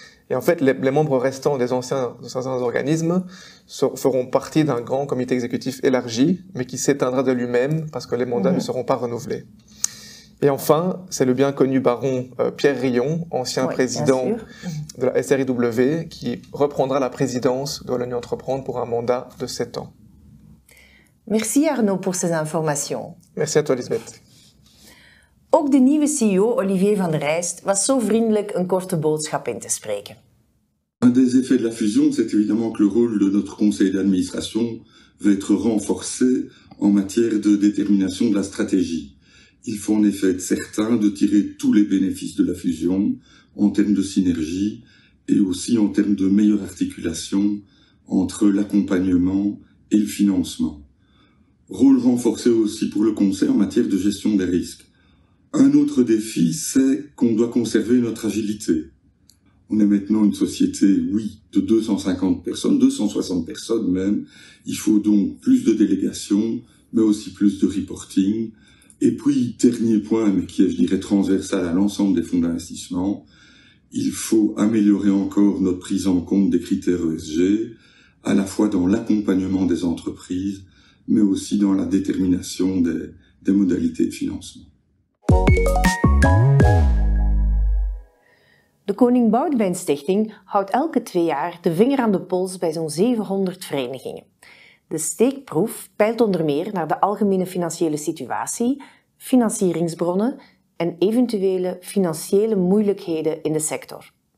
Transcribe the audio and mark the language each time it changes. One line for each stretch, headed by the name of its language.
French: Et en fait, les membres restants des anciens organismes feront partie d'un grand comité exécutif élargi, mais qui s'éteindra de lui-même parce que les mandats ne seront pas renouvelés. Et enfin, c'est le bien connu baron Pierre Rion, ancien président de la SRIW, qui reprendra la présidence de l'Union Entreprendre pour un mandat de 7 ans. Merci Arnaud pour ces informations. Merci à toi Lisbeth.
Dutch: Ook de nieuwe CEO Olivier Van Rijst was zo vriendelijk een korte boodschap in te spreken.
French: Un des effets de la fusion, c'est évidemment que le rôle de notre conseil d'administration va être renforcé en matière de détermination de la stratégie. Il faut en effet être certain de tirer tous les bénéfices de la fusion en termes de synergie et aussi en termes de meilleure articulation entre l'accompagnement et le financement. Rôle renforcé aussi pour le conseil en matière de gestion des risques. Un autre défi, c'est qu'on doit conserver notre agilité. On est maintenant une société, oui, de 250 personnes, 260 personnes même. Il faut donc plus de délégations, mais aussi plus de reporting. Et puis, dernier point, mais qui est, je dirais, transversal à l'ensemble des fonds d'investissement, il faut améliorer encore notre prise en compte des critères ESG, à la fois dans l'accompagnement des entreprises, mais aussi dans la détermination des modalités de financement.
Dutch: De Koning Boudewijn Stichting houdt elke twee jaar de vinger aan de pols bij zo'n 700 verenigingen. De steekproef peilt onder meer naar de algemene financiële situatie, financieringsbronnen en eventuele financiële moeilijkheden in de sector.